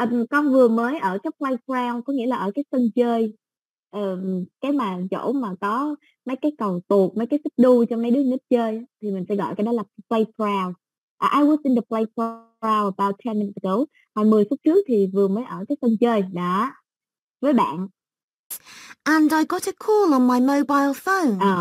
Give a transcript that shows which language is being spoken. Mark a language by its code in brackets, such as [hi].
[vi] Con vừa mới ở cái playground, có nghĩa là ở cái sân chơi. Cái mà chỗ mà có mấy cái cầu tuột, mấy cái xích đu cho mấy đứa nít chơi, thì mình sẽ gọi cái đó là playground. [en] I was in the playground about 10 minutes ago. [vi] Hồi 10 phút trước thì vừa mới ở cái sân chơi, đó, với bạn. [en] And I got a call on my mobile phone.